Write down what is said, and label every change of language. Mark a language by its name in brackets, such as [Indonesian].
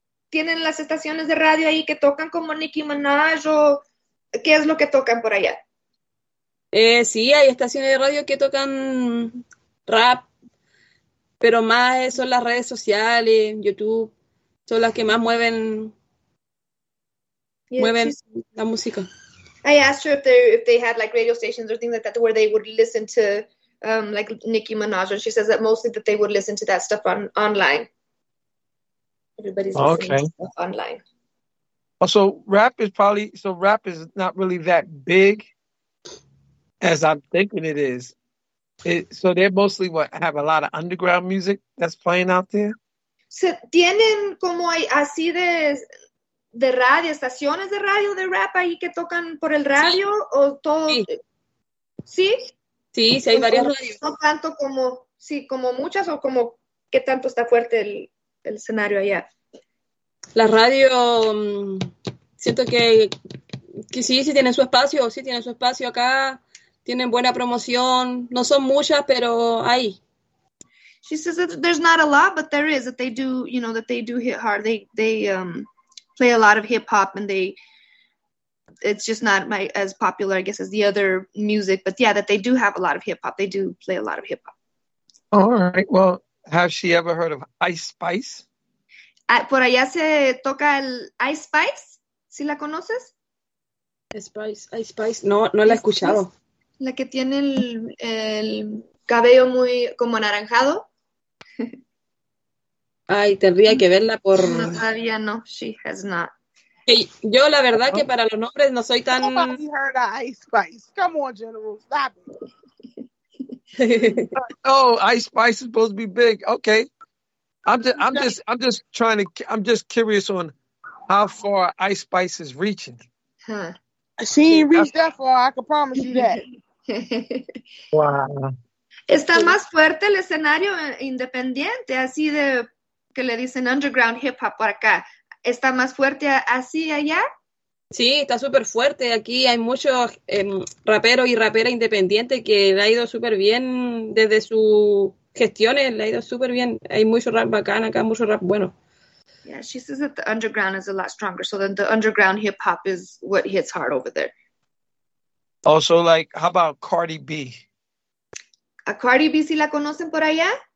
[Spanish] ¿Tienen las estaciones de radio ahí que tocan como Nicki Minaj o qué es lo que tocan por allá? Sí, hay estaciones de radio que tocan rap, pero más son las redes sociales, YouTube, son las que más mueven la música. [English] I asked her if they had like radio stations or things like that where they would listen to... like Nicki Minaj, and she says that mostly that they would listen to that stuff on online. Everybody's listening to stuff online. So rap is not really that big as I'm thinking it is. So they're mostly what have a lot of underground music that's playing out there. [Spanish] So tienen como así de radio, estaciones de radio de rap ahí que tocan por el radio o todo. Sí. Sí, sí, hay varias radios. No tanto como, sí, como muchas o como qué tanto está fuerte el escenario allá. La radio, siento que sí tienen su espacio, sí tienen su espacio acá, tienen buena promoción, no son muchas, pero hay. [English] She says that there's not a lot, but there is, that they do, you know, that they do hit hard. They play a lot of hip hop and they... It's just not as popular, I guess, as the other music. But yeah, that they do have a lot of hip-hop. They do play a lot of hip-hop. All right. Well, has she ever heard of Ice Spice? [Spanish] Por allá se toca el Ice Spice, ¿sí la conoces? Ice Spice, no la he escuchado. La que tiene el cabello muy como anaranjado. Ay, tendría que verla por... No, todavía no, [English] she has not. [Spanish] Hey, yo la verdad que para los nombres no soy tan... [English] Nobody heard of Ice Spice. Come on, General, stop it. Oh, Ice Spice is supposed to be big. Okay. I'm just curious on how far Ice Spice is reaching. Huh. She ain't reached that far, I can promise you that. Wow. [Spanish] Está más fuerte el escenario independiente, así de que le dicen underground hip hop por acá. ¿Está más fuerte así allá? Sí, está súper fuerte. Aquí hay muchos raperos y raperas independientes que le ha ido súper bien desde sus gestiones. Le ha ido súper bien. Hay mucho rap bacán acá, mucho rap bueno. [English] Yeah, she says that the underground is a lot stronger. So then the underground hip hop is what hits hard over there. Also, like, how about Cardi B? [Spanish] ¿A Cardi B sí la conocen por allá?